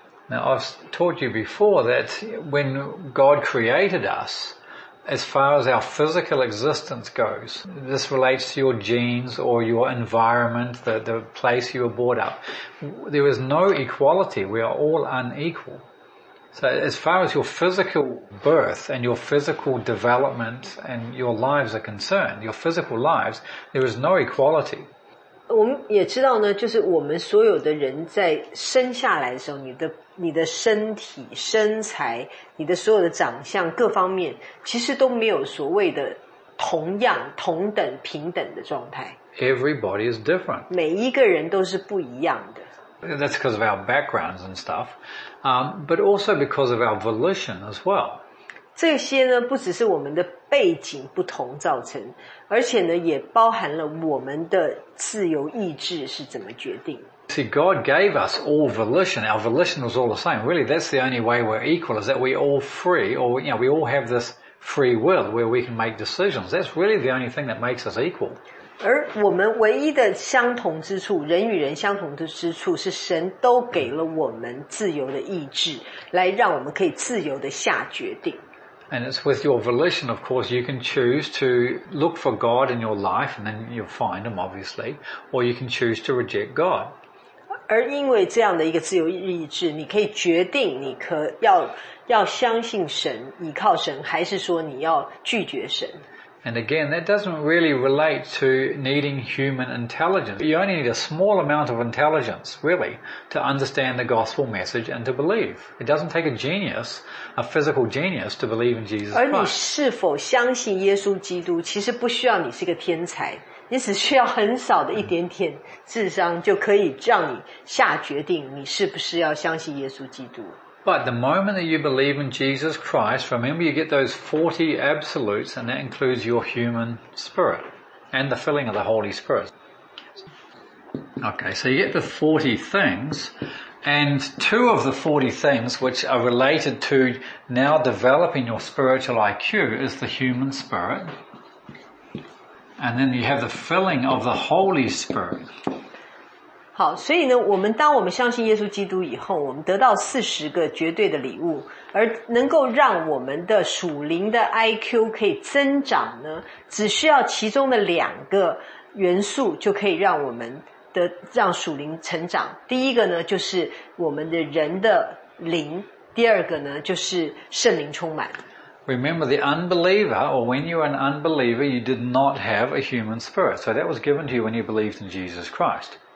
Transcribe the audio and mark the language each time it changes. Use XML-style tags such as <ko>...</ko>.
<en>Now I've taught you before that when God created us, as far as our physical existence goes, this relates to your genes or your environment, the place you were brought up. There is no equality. We are all unequal. So as far as your physical birth and your physical development and your lives are concerned, your physical lives, there is no equality.</en> <zh>我们也知道呢，就是我们所有的人在生下来的时候，你的身体、身材、你的所有的长相各方面，其实都没有所谓的同样、同等、平等的状态。</zh> <en>Everybody is different.</en> <zh>每一个人都是不一样的。</zh> <en>That's because of our backgrounds and stuff, but also because of our volition as well.</en> <zh>这些呢，不只是我们的背景不同造成，而且呢，也包含了我们的自由意志是怎么决定。</zh> <en>See, God gave us all volition. Our volition was all the same. Really, that's the only way we're equal, is that we're all free, or you know, we all have this free will where we can make decisions. That's really the only thing that makes us equal.</en> <zh>而我们唯一的相同之处，人与人相同的之处，是神都给了我们自由的意志，来让我们可以自由的下决定。</zh> <en>And it's with your volition, of course, you can choose to look for God in your life, and then you'll find him, obviously, or you can choose to reject God.</en> <zh>而因为这样的一个自由意志，你可以决定你可要相信神、依靠神，还是说你要拒绝神。</zh> <en>And again, that doesn't really relate to needing human intelligence. You only need a small amount of intelligence, really, to understand the gospel message and to believe. It doesn't take a genius, a physical genius, to believe in Jesus Christ.</en> <zh>而你是否相信耶稣基督，其实不需要你是个天才，你只需要很少的一点点智商，就可以让你下决定，你是不是要相信耶稣基督。</zh> <en>But the moment that you believe in Jesus Christ, remember you get those 40 absolutes, and that includes your human spirit and the filling of the Holy Spirit. Okay, so you get the 40 things, and two of the 40 things which are related to now developing your spiritual IQ is the human spirit. And then you have the filling of the Holy Spirit.</en> <zh>好，所以呢，我们当我们相信耶稣基督以后，我们得到40个绝对的礼物，而能够让我们的属灵的 IQ 可以增长呢，只需要其中的两个元素就可以让我们的让属灵成长。第一个呢，就是我们的人的灵；第二个呢，就是圣灵充满。</zh> <en>Remember the unbeliever, or when you were an unbeliever, you did not have a human spirit. So that was given to you when you believed in Jesus Christ.</en>